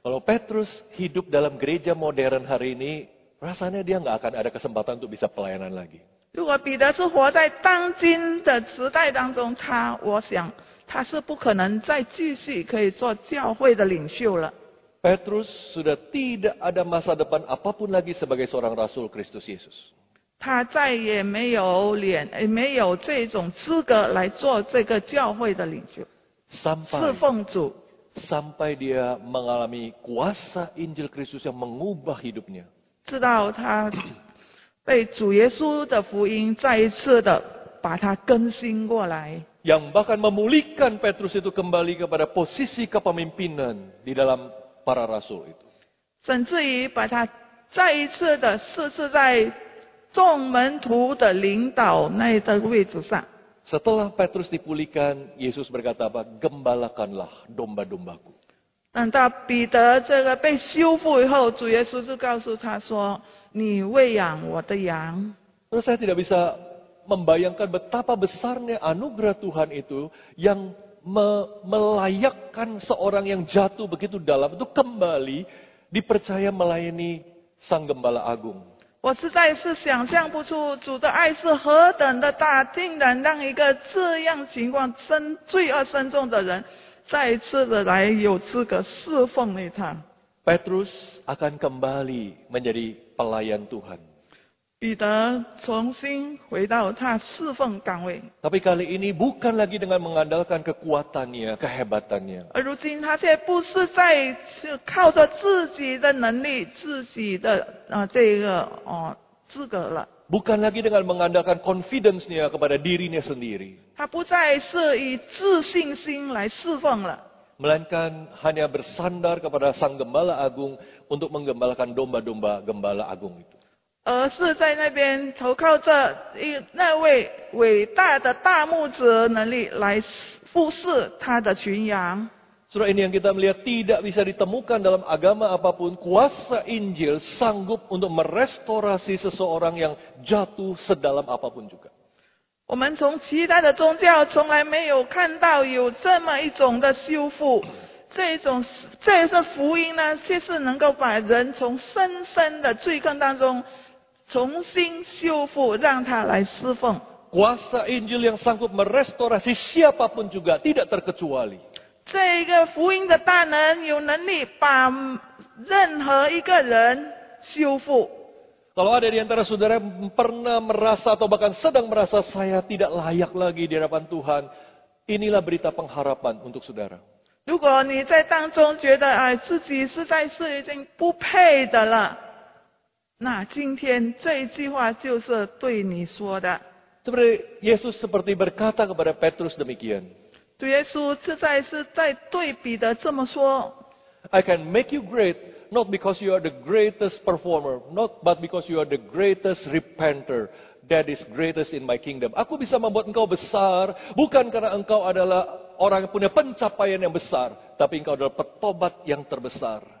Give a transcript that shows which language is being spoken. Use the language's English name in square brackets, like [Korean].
[Indonesian] Kalau Petrus hidup dalam gereja modern hari ini, rasanya dia nggak akan ada kesempatan untuk bisa pelayanan lagi. [Chinese] 如果彼得是活在当今的时代当中，他，我想他是不可能再继续可以做教会的领袖了。 [Indonesian] Petrus sudah tidak ada masa depan apapun lagi sebagai seorang Rasul Kristus Yesus. [Chinese] 他再也没有脸，没有这种资格来做这个教会的领袖，侍奉主。 [Indonesian] Sampai dia mengalami kuasa Injil Kristus yang mengubah hidupnya. [Chinese] 直到他被主耶稣的福音再一次的把他更新过来。 [Indonesian] Yang bahkan memulihkan Petrus itu kembali kepada posisi kepemimpinan di dalam para rasul itu. [Chinese] 甚至于把他再一次的设置在众门徒的领导那的位置上。 [Indonesian] Setelah Petrus dipulihkan, Yesus berkata apa? Gembalakanlah domba-dombaku. Setelah Peter [Chinese] 这个被修复以后，主耶稣就告诉他说：“你喂养我的羊。” [Indonesian] Terus saya tidak bisa membayangkan betapa besarnya anugerah Tuhan itu yang melayakkan seorang yang jatuh begitu dalam itu kembali dipercaya melayani Sang Gembala Agung. [Chinese] 我实在是想象不出主的爱是何等的大，竟然让一个这样情况深罪恶深重的人，再次的来有资格侍奉于他。 [Indonesian] Petrus akan kembali menjadi pelayan Tuhan。 [Chinese] 彼得重新回到他侍奉岗位。 [Indonesian] Tapi kali ini bukan lagi dengan mengandalkan kekuatannya, kehebatannya。 [Chinese] 而如今他却不是在靠着自己的能力、自己的这个资格了。 [Indonesian] Bukan lagi dengan mengandalkan confidence-nya kepada dirinya sendiri。 [Chinese] 他不再是以自信心来侍奉了。 [Indonesian] Melainkan hanya bersandar kepada Sang Gembala Agung untuk menggembalakan domba-domba Gembala Agung itu。 [Chinese] 而是在那边投靠着那位伟大的大牧者能力来服侍他的群羊。 [Indonesian] Surah ini yang kita melihat tidak bisa ditemukan dalam agama apapun kuasa Injil sanggup untuk merestorasi seseorang yang jatuh sedalam apapun juga。 [Chinese] 我们从其他的宗教从来没有看到有这么一种的修复，这是福音呢，就是能够把人从深深的罪坑当中重新修复，让他来侍奉。 [Indonesian] Kuasa Injil yang sanggup merestorasi siapapun juga, tidak terkecuali。 [Chinese] 这个福音的大能有能力把任何一个人修复。 [Indonesian] Kalau ada di antara saudara pernah merasa atau bahkan sedang merasa saya tidak layak lagi di hadapan Tuhan, inilah berita pengharapan untuk saudara。 [Chinese] 如果你在当中觉得自己实在是已经不配的了。那今天这一句话就是对你说的。 [Indonesian] Seperti Yesus seperti berkata kepada Petrus demikian。 [Chinese] 对耶稣实在是在对彼得这么说。 [English] I can make you great, not because you are the greatest performer, not but because you are the greatest repenter that is greatest in my kingdom. [Indonesian] Aku bisa membuat engkau besar, bukan karena engkau adalah orang yang punya pencapaian yang besar, tapi engkau adalah petobat yang terbesar.